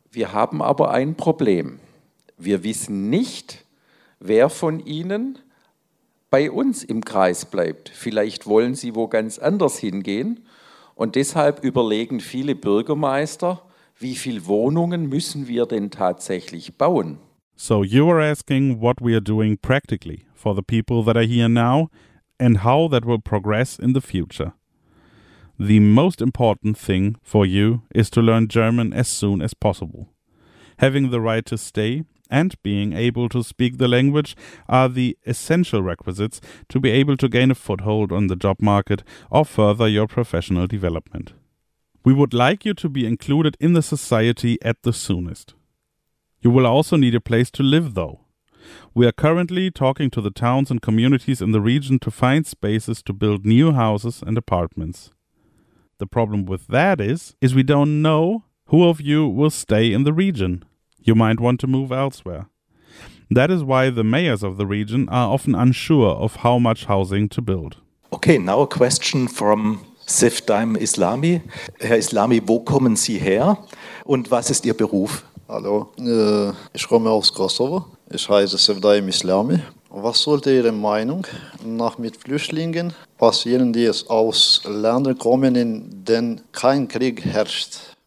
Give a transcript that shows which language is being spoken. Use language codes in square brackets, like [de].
[de] Wir haben aber ein Problem. Wir wissen nicht, wer von Ihnen bei uns im Kreis bleibt. Vielleicht wollen Sie wo ganz anders hingehen. Und deshalb überlegen viele Bürgermeister, wie viele Wohnungen müssen wir denn tatsächlich bauen? [en] So you are asking what we are doing practically for the people that are here now and how that will progress in the future. The most important thing for you is to learn German as soon as possible. having the right to stay, and being able to speak the language are the essential requisites to be able to gain a foothold on the job market or further your professional development. We would like you to be included in the society at the soonest. You will also need a place to live, though. We are currently talking to the towns and communities in the region to find spaces to build new houses and apartments. The problem with that is we don't know who of you will stay in the region. You might want to move elsewhere. That is why the mayors of the region are often unsure of how much housing to build. Okay, now a question from Sefdaim Islami. [de] Herr Islami, wo kommen Sie her und was ist Ihr Beruf? Hallo, ich komme aus Kosovo. Ich heiße Sefdaim Islami. Was sollte Ihre Meinung nach mit Flüchtlingen passieren, die aus Ländern kommen, in denen kein Krieg herrscht?